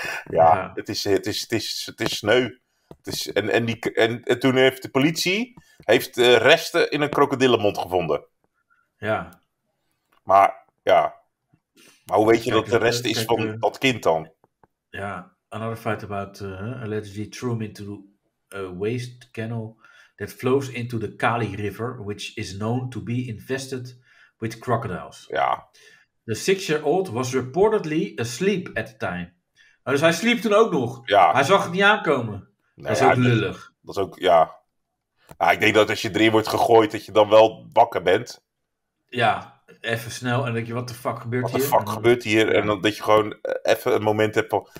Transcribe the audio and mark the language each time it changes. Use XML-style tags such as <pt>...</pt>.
<nl>Ja, het is sneu. En toen heeft de politie resten in een krokodillenmond gevonden. Ja. Maar, ja... Maar hoe weet je dat de rest is van dat kind dan?</nl> <en>Ja, another fight about allegedly threw him into a waste canal that flows into the Kali River, which is known to be infested with crocodiles.</en> <nl>Ja.</nl> <en>The 6-year-old was reportedly asleep at the time.</en> <nl>Dus hij sliep toen ook nog. Ja. Hij zag het niet aankomen. Nee, dat is ook lullig. Dat is ook, ja. Nou, ik denk dat als je erin wordt gegooid, dat je dan wel wakker bent. Ja. Even snel en denk je, wat de fuck gebeurt hier? Wat de fuck gebeurt hier? En dan dat je gewoon even een moment hebt van...</nl>